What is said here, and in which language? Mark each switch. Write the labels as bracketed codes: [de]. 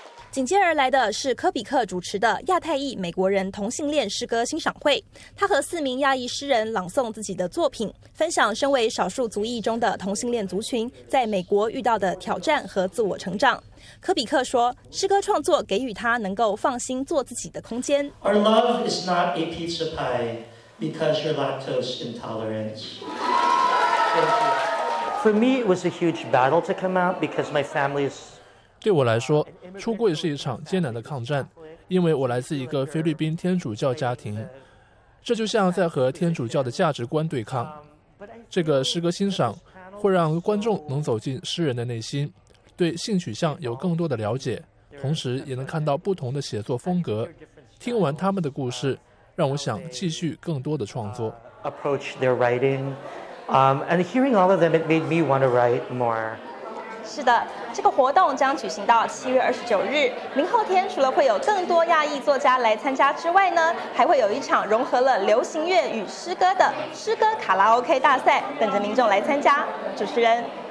[zh] 紧接而来的是科比克主持的亚太裔美国人同性恋诗歌欣赏会，他和4名亚裔诗人朗诵自己的作品，分享身为少数族裔中的同性恋族群在美国遇到的挑战和自我成长。科比克说，诗歌创作给予他能够放心做自己的空间。 [en] Our love is not a pizza pie because you're lactose intolerant. For me, it was a huge battle to come out because my family's. [zh] 对我来说，出柜是一场艰难的抗战，因为我来自一个菲律宾天主教家庭，这就像在和天主教的价值观对抗。这个诗歌欣赏会让观众能走进诗人的内心，对性取向有更多的了解，同时也能看到不同的写作风格。听完他们的故事，让我想继续更多的创作。 [en] Approach their writing, and hearing all of them, it made me want to write more. [zh] 是的，这个活动将举行到7月29日。明后天除了会有更多亚裔作家来参加之外呢，还会有一场融合了流行乐与诗歌的诗歌卡拉 OK 大赛，等着民众来参加。主持人，